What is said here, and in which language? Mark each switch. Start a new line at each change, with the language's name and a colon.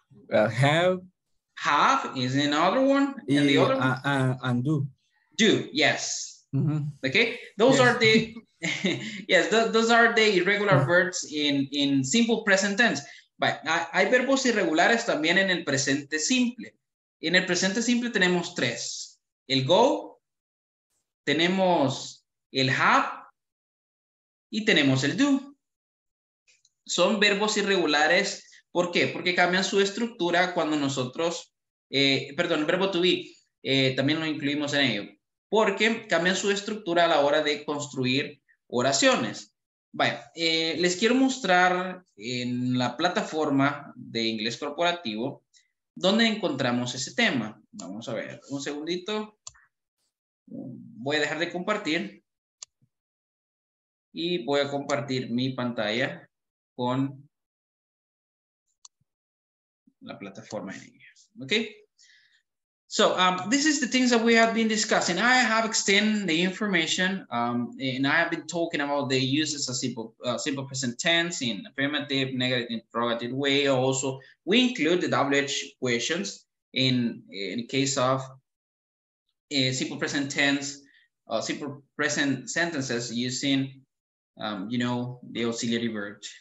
English: Have. Have is another one. And the other one? And do. Do, yes. Mm-hmm. Okay, those are the irregular verbs in simple present tense.
Spanish: But hay verbos irregulares también en el presente simple. En el presente simple tenemos tres: el go, tenemos el have y tenemos el do. Son verbos irregulares. ¿Por qué? Porque cambian su estructura cuando nosotros, el verbo to be, también lo incluimos en ello. Porque cambian su estructura a la hora de construir oraciones. Vaya, les quiero mostrar en la plataforma de inglés corporativo dónde encontramos ese tema. Vamos a ver, un segundito. Voy a dejar de compartir. Y voy a compartir mi pantalla con la plataforma en inglés. ¿Ok?
English: So this is the things that we have been discussing. I have extended the information and I have been talking about the uses of simple present tense in affirmative, negative, interrogative way. Also, we include the WH questions in case of simple present tense, simple present sentences using, the auxiliary verb.